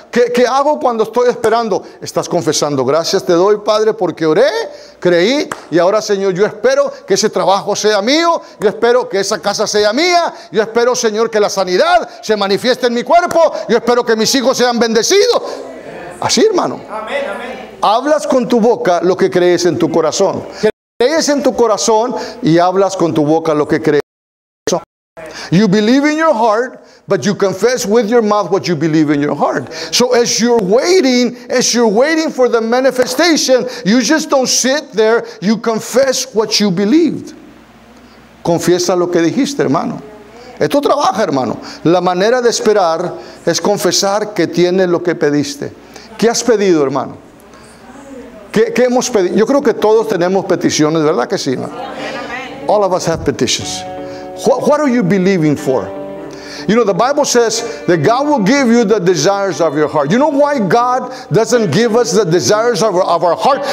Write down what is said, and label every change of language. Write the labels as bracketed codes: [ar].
[es] ¿Qué hago cuando estoy esperando? Estás confesando: gracias te doy, Padre, porque oré, creí, y ahora, Señor, yo espero que ese trabajo sea mío, yo espero que esa casa sea mía, yo espero, Señor, que la sanidad se manifieste en mi cuerpo, yo espero que mis hijos sean bendecidos. Así, hermano. Amén, amén. Hablas con tu boca lo que crees en tu corazón. Crees en tu corazón y hablas con tu boca lo que crees. [en] You believe in your heart, but you confess with your mouth what you believe in your heart. So as you're waiting for the manifestation, you just don't sit there, you confess what you believed. [es] Confiesa lo que dijiste, hermano. Esto trabaja, hermano. La manera de esperar es confesar que tienes lo que pediste. ¿Qué has pedido, hermano? ¿Qué hemos pedido? Yo creo que todos tenemos peticiones, ¿verdad que sí? [en] Amen. All of us have petitions. What are you believing for? You know, the Bible says that God will give you the desires of your heart. You know why God doesn't give us the desires of our heart?